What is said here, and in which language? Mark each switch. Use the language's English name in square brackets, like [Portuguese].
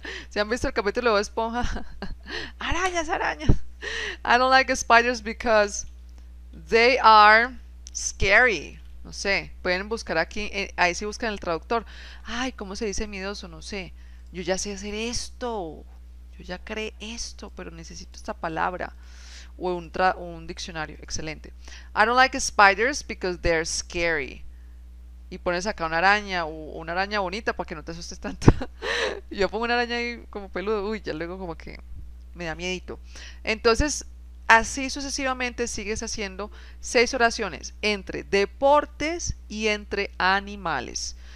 [Spanish] ¿Se han visto el capítulo de Esponja? Arañas, arañas. [English] I don't like spiders because they are scary. [Spanish] No sé. Pueden buscar aquí. Ahí sí buscan el traductor. Ay, ¿cómo se dice miedoso? No sé. Yo ya sé hacer esto. Yo ya creé esto, pero necesito esta palabra. O un diccionario. Excelente. [English] I don't like spiders because they're scary. [Spanish] Y pones acá una araña, o una araña bonita para que no te asustes tanto. Yo pongo una araña ahí como peludo, uy, ya luego como que me da miedito. Entonces, así sucesivamente sigues haciendo seis oraciones entre deportes y entre animales.